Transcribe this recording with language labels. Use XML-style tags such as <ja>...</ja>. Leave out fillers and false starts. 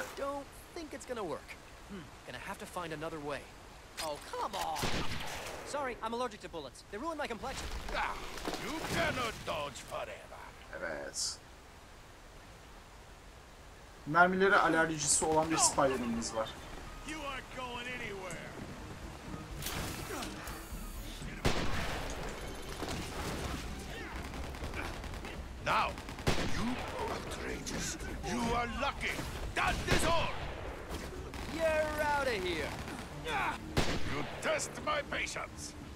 <en>Don't think it's gonna work. Gonna have to find another way. Oh, come on! Sorry, I'm allergic to bullets. They ruin my complexion. You cannot dodge forever.</en> <tr>Evet. Mermilere alerjisi olan bir Spider-Man'imiz var.</tr> <en>You aren't going anywhere. Now, you outrageous. You are lucky. That is all. You're out of here. You test my patience.</en>